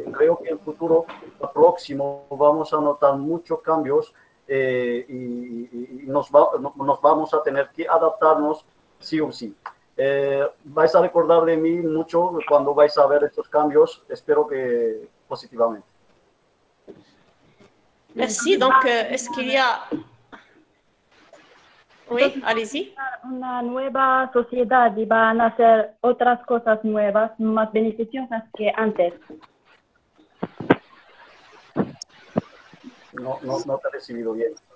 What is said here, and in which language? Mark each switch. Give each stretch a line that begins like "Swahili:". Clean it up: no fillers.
Spanish: Creo que en el futuro próximo vamos a notar muchos cambios y nos vamos a tener que adaptarnos sí o sí. Vais a recordar de mí mucho cuando vais a ver estos cambios, espero que positivamente.
French: Merci, donc est-ce qu'il y a... Oui, allez-y.
Spanish: Una nueva sociedad y van a hacer otras cosas nuevas, más beneficiosas que antes. No te he recibido bien.